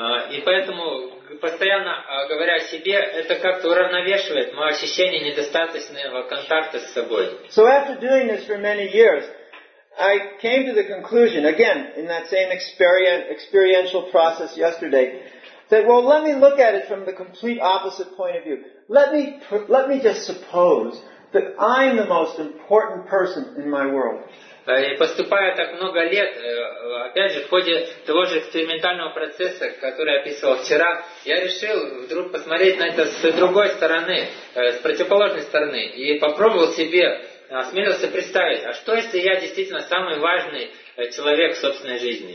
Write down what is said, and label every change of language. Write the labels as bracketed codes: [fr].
[ru] И поэтому, постоянно говоря о себе, это как-то уравновешивает мое ощущение недостаточного контакта с собой. [en] So after doing this for many years, I came to the conclusion, again, in that same experiential process yesterday, that, well, let me look at it from the complete opposite point of view. Let me just suppose that I'm the most important person in my world. [ru] И поступая так много лет, опять же, в ходе того же экспериментального процесса, который я описывал вчера, я решил вдруг посмотреть на это с другой стороны, с противоположной стороны, и попробовал себе, осмелился представить, а что если я действительно самый важный человек в собственной жизни?